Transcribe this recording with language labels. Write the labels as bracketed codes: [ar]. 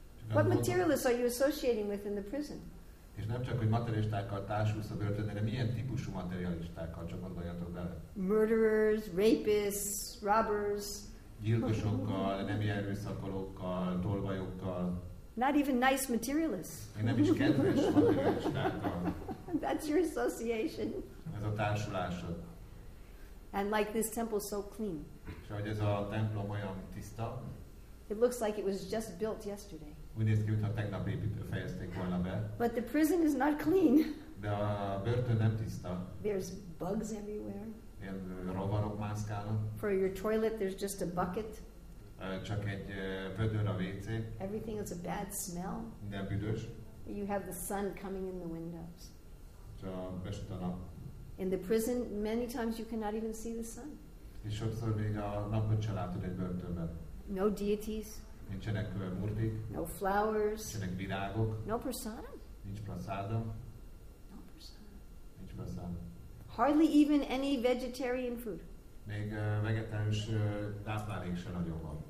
[en] What materialists are you associating with in the prison? [hu] És nem csak, hogy materialistákkal társulsz a börtönben, de milyen típusú materialistákkal, csak gondoljatok bele. [en] Murderers, rapists, robbers. [hu] Gyilkosokkal, nemi erőszakolókkal, tolvajokkal. [en] Not even nice materialists. [hu] Még nem is kedves materialistákkal. [en] That's your association. [hu] Ez a társulásod. [en] And like this temple so clean. [hu] És ahogy ez a templom olyan tiszta. [en] It looks like it was just built yesterday. [hu] úgy néz ki, mintha tegnap fejezték volna be. [en] But the prison is not clean. [hu] De a börtön nem tiszta. [en] There's bugs everywhere. [hu] Ilyen rovarok mászkálnak. [en] For your toilet, there's just a bucket. [hu] Csak egy vödör a WC. [en] Everything is a bad smell. [hu] Minden büdös. [en] You have the sun coming in the windows. [hu] Csak besüt a nap. [en] In the prison, many times you cannot even see the sun. [hu] És sokszor még a napot sem látod egy börtönben. [en] No deities. [hu] Nincsenek murtik. [en] No flowers. [hu] Nincsenek virágok. [en] No prasadam. [hu] Nincs prasadam. [en] No prasadam. [hu] Nincs prasadam. [en] Hardly even any vegetarian food. [hu] Még vegetáris táplálék sem nagyon van.